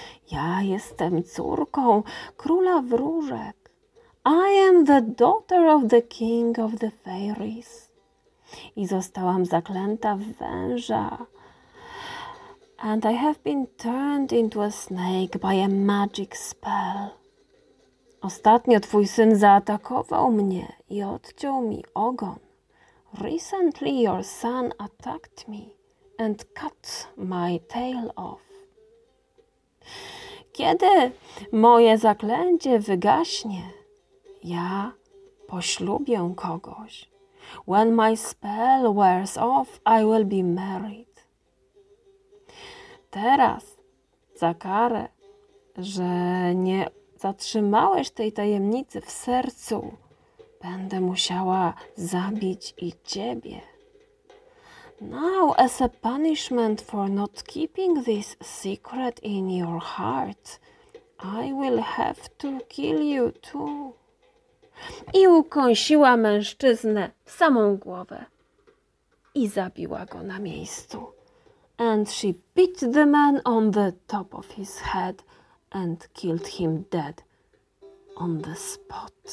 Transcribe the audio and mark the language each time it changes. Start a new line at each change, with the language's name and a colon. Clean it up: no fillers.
Polish: Ja jestem córką króla wróżek.
English: I am the daughter of the king of the fairies.
Polish: I zostałam zaklęta w węża.
English: And I have been turned into a snake by a magic spell.
Polish: Ostatnio twój syn zaatakował mnie i odciął mi ogon.
English: Recently your son attacked me and cut my tail off.
Polish: Kiedy moje zaklęcie wygaśnie, ja poślubię kogoś.
English: When my spell wears off, I will be married.
Polish: Teraz, za karę, że nie zatrzymałeś tej tajemnicy w sercu, będę musiała zabić i ciebie.
English: Now, as a punishment for not keeping this secret in your heart, I will have to kill you too.
Polish: I ukąsiła mężczyznę w samą głowę i zabiła go na miejscu.
English: And she beat the man on the top of his head and killed him dead on the spot.